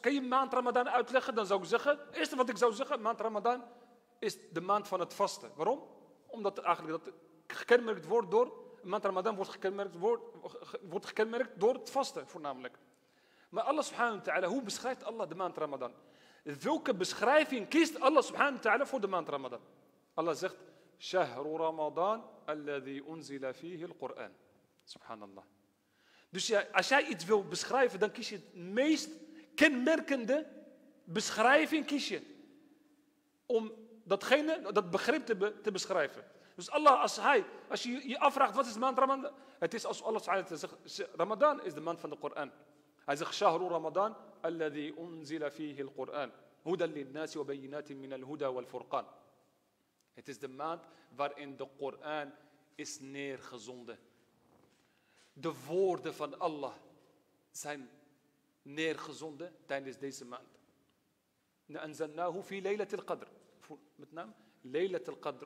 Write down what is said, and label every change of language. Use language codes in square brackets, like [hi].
[nl] Kan je maand Ramadan uitleggen? Dan zou ik zeggen, het eerste wat ik zou zeggen, maand Ramadan is de maand van het vasten. Waarom? Omdat eigenlijk dat gekenmerkt wordt door, maand Ramadan wordt gekenmerkt door het vasten voornamelijk. Maar Allah subhanahu wa ta'ala, hoe beschrijft Allah de maand Ramadan? Welke beschrijving kiest Allah subhanahu wa ta'ala voor de maand Ramadan? Allah zegt, [ar] شهر رمضان الذي أنزل فيه القرآن سبحان الله. [nl] Dus ja, als jij iets wil beschrijven, dan kies je het meest kenmerkende beschrijving kies je om datgene, dat begrip te beschrijven. Dus Allah, als je afvraagt wat is de maand Ramadan, het is als Allah zegt, Ramadan is de maand van de Koran. Hij zegt, [ar] شهر رمضان الذي أنزل فيه القرآن هدى للناس وبينات من الهدى والفرقان. [nl] Het is de maand waarin de Koran is neergezonden. De woorden van Allah zijn neergezonden tijdens deze maand. [ar] Na'anzalnahu fi Laylat al-Qadr. [nl] Met name Laylat al-Qadr.